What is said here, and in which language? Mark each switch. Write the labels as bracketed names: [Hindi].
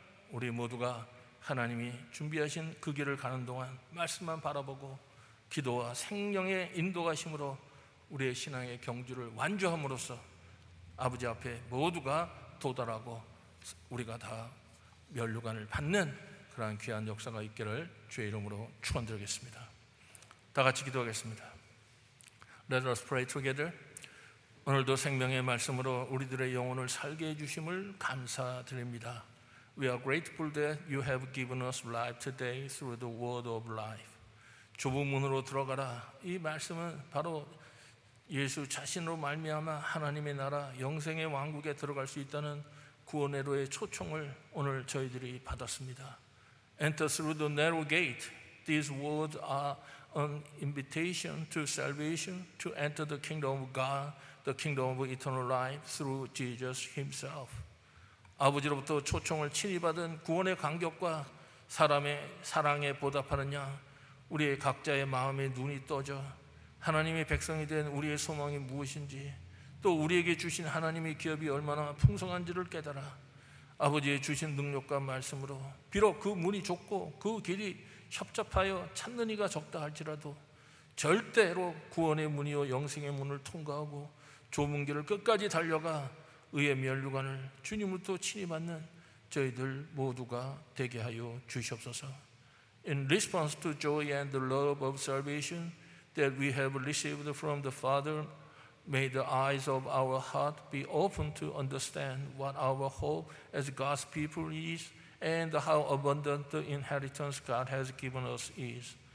[Korean] 우리 모두가 하나님이 준비하신 그 길을 가는 동안 말씀만 바라보고 기도와 생명의 인도가심으로 우리의 신앙의 경주를 완주함으로써 아버지 앞에 모두가 도달하고 우리가 다 면류관을 받는 그러한 귀한 역사가 있기를 주의 이름으로 축원드리겠습니다. 다 같이 기도하겠습니다. [English] Let us pray together. [Korean] 오늘도 생명의 말씀으로 우리들의 영혼을 살게 해주심을 감사드립니다. [English] We are grateful that you have given us life today through the word of life. [Korean] 좁은 문으로 들어가라. 이 말씀은 바로 예수 자신으로 말미암아 하나님의 나라 영생의 왕국에 들어갈 수 있다는 구원의로의 초청을 오늘 저희들이 받았습니다. [English] Enter through the narrow gate. These words are an invitation to salvation, to enter the kingdom of God, the kingdom of eternal life through Jesus himself. [Korean] 아버지로부터 초청을 친히 받은 구원의 간격과 사람의 사랑에 보답하느냐 우리의 각자의 마음에 눈이 떠져 하나님의 백성이 된 우리의 소망이 무엇인지 또 우리에게 주신 하나님의 기업이 얼마나 풍성한지를 깨달아 아버지의 주신 능력과 말씀으로 비록 그 문이 좁고 그 길이 협잡하여 찾는 이가 적다 할지라도 절대로 구원의 문이요 영생의 문을 통과하고 좁은 길을 끝까지 달려가 의의 면류관을 주님부터 친히 받는 저희들 모두가 되게 하여 주시옵소서. [English] In response to joy and the love of salvation that we have received from the Father, may the eyes of our heart be open to understand what our hope as God's people is and how abundant the inheritance God has given us is.